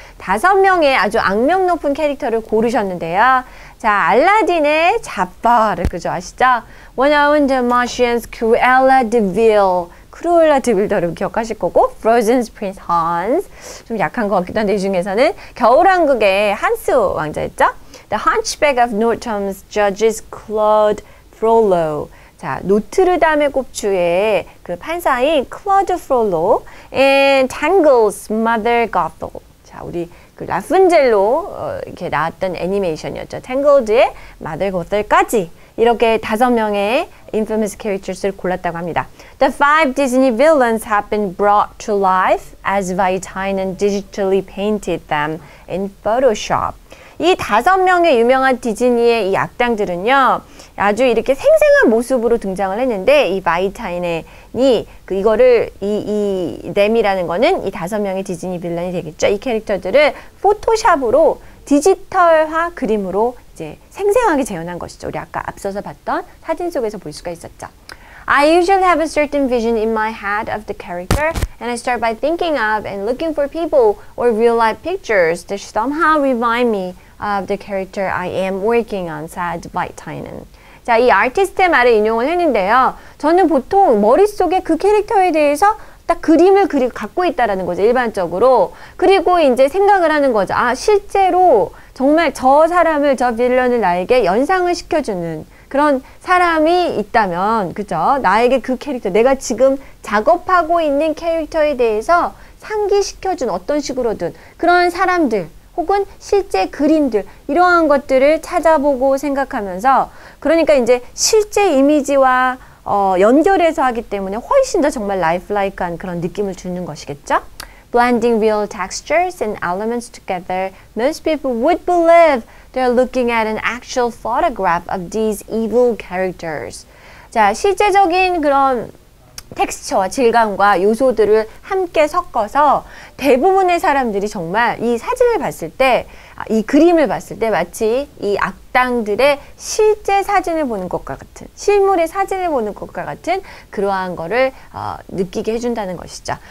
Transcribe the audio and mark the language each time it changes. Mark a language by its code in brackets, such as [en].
[ko] 다섯 명의 아주 악명 높은 캐릭터를 고르셨는데요. 자, 알라딘의 자바를 그죠 아시죠? [en] When I went to Martians, Cruella de Vil. [ko] Cruella de Vil 더를 기억하실 거고, Frozen's Prince Hans. 좀 약한 것 같기도 한데, 이 중에서는 겨울왕국의 한스 왕자였죠? [en] The Hunchback of Notre-Dame's Judges Claude Frollo. [ko] 자, 노트르담의 곱추의 그 판사인 Claude Frollo. [en] And Tangled's Mother Gothel. [ko] 자, 우리 그 라푼젤로 이렇게 나왔던 애니메이션이었죠. Tangled의 Mother Gothel까지. 이렇게 다섯 명의 [en] infamous characters [ko] 를 골랐다고 합니다. [en] The five Disney villains have been brought to life as Vaitainen digitally painted them in Photoshop. [ko] 이 다섯 명의 유명한 디즈니의 이 악당들은요, 아주 이렇게 생생한 모습으로 등장을 했는데, 이 바이타인이 그 이거를 이 뎀이라는 거는 이 다섯 명의 디즈니 빌런이 되겠죠. 이 캐릭터들을 포토샵으로 디지털화 그림으로 이제 생생하게 재현한 것이죠. 우리 아까 앞서서 봤던 사진 속에서 볼 수가 있었죠. [en] I usually have a certain vision in my head of the character and I start by thinking of and looking for people or real life pictures that somehow remind me of the character I am working on, said Vaitainen. [ko] 자, 이 아티스트의 말을 인용을 했는데요. 저는 보통 머릿속에 그 캐릭터에 대해서 딱 그림을 그리고 갖고 있다라는 거죠. 일반적으로. 그리고 이제 생각을 하는 거죠. 아, 실제로 정말 저 사람을, 저 빌런을 나에게 연상을 시켜주는 그런 사람이 있다면, 그죠? 나에게 그 캐릭터, 내가 지금 작업하고 있는 캐릭터에 대해서 상기시켜준 어떤 식으로든 그런 사람들 혹은 실제 그림들, 이러한 것들을 찾아보고 생각하면서, 그러니까 이제 실제 이미지와 연결해서 하기 때문에 훨씬 더 정말 라이프라이크한 그런 느낌을 주는 것이겠죠? [en] Blending real textures and elements together, most people would believe they're looking at an actual photograph of these evil characters. [ko] 자, 실제적인 그런 텍스처와 질감과 요소들을 함께 섞어서 대부분의 사람들이 정말 이 사진을 봤을 때, 이 그림을 봤을 때 마치 이 악당들의 실제 사진을 보는 것과 같은, 실물의 사진을 보는 것과 같은 그러한 거를 느끼게 해준다는 것이죠.